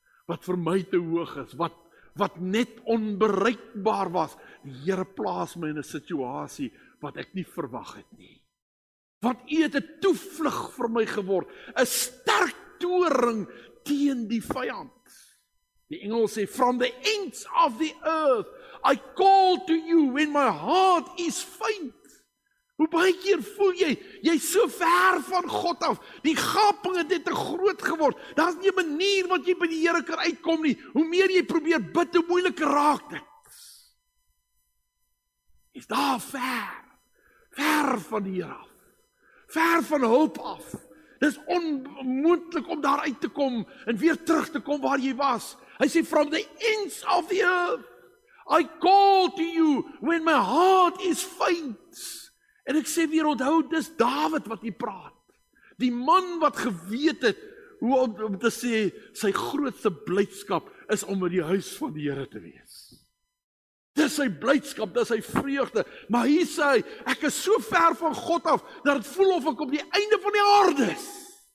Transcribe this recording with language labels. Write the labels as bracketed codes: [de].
[af] Wat vir my te hoog is, wat net onbereikbaar was. Die Here plaas my in 'n situasie wat ek nie verwag het nie. Want U het 'n toevlug vir my geword, 'n sterk toring teen die vyand. Die engel sê, [en] "From the ends of the earth, I call to you when my heart is faint." [af] Hoe baie keer voel jy, jy's so ver van God af, die gaping het net te groot geword. Daar's nie 'n manier wat jy by die Here kan uitkom nie. Hoe meer jy probeer bid, hoe moeiliker raak dit. Is daar ver? Ver van die Here af. Ver van hulp af. Dis onmoontlik om daar uit te kom en weer terug te kom waar jy was. Hy sê, [en] "From the ends of the earth, I call to you when my heart is faint." [af] En ek sê weer, onthou, dis Dawid wat hy praat. Die man wat geweet het hoe om te sê, sy grootste blydskap is om in die huis van die Here te wees. Dis sy blydskap, dis sy vreugde. Maar hier sê hy, ek is so ver van God af, dat het voel of ek op die einde van die aarde is.